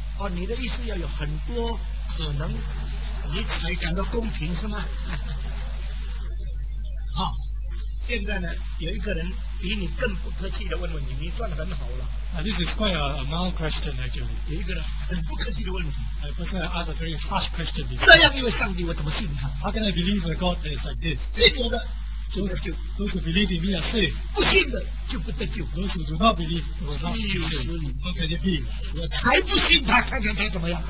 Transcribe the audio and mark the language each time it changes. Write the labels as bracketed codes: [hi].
[zh] 哦，你的意思要有很多可能，你才感到公平是吗？好。现在呢，有一个人比你更不客气的问问你，你算得很好了。 [en] This is quite a mild question actually. [zh] 有一个人很不客气的问题。 [en] A person asked a very harsh question. [zh] 这样一位上帝，我怎么信他 [en] ？How can I believe a God that is like this? [zh] 信我的就得救。 [en] Those who believe in me are saved. [zh] 不信的就不得救。 [en] Those who do not believe will not be saved. How can it be? [zh] 我才不信他，看看他怎么样。